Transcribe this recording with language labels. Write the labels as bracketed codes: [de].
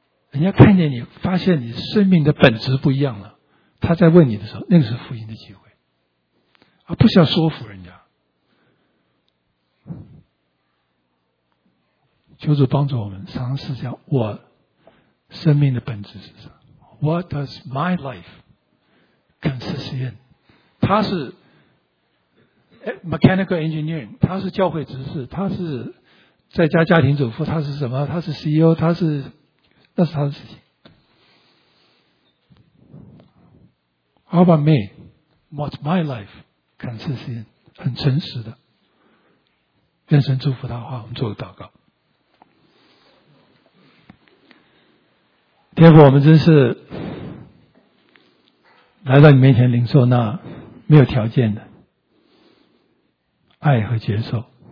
[zh] 人家看见你，发现你生命的本质不一样了，他在问你的时候，那个是福音的机会，而不是要说服人家。求主帮助我们，常常是这样，我生命的本质是什么？ [en] What does my life consist in? [zh] 他是 [en] mechanical engineering, [zh] 他是教会执事，他是在家家庭主妇，他是什么？他是 CEO, 他是，那是他的事情。 [en] How about me? What's my life consist in? [zh] 很诚实的。愿神祝福他的话，我们做个祷告。天父，我们真是来到你面前领受那没有条件的爱和接受。